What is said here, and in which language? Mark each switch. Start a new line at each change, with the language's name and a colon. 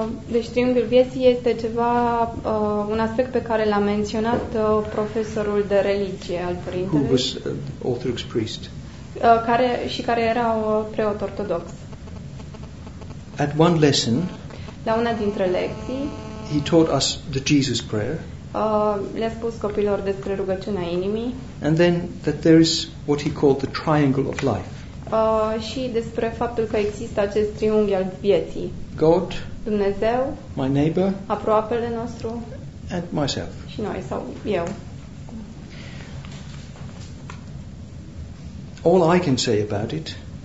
Romanian: Deci triunghiul vieții este ceva, un aspect pe care l-a menționat profesorul de religie al părintelui.
English: Who was an Orthodox priest.
Romanian: Care era o preot ortodox.
English: At one lesson,
Romanian: la una dintre lecții,
English: he taught us the Jesus prayer.
Romanian: Le-a spus copilor despre rugăciunea inimii.
English: And then that there is what he called the triangle of life.
Romanian: Și despre faptul că există acest triunghi al vieții.
English: God,
Romanian: Dumnezeu,
English: my neighbor,
Romanian: aproapele nostru,
English: and myself.
Romanian: Și noi sau eu.
English: All I can say about it.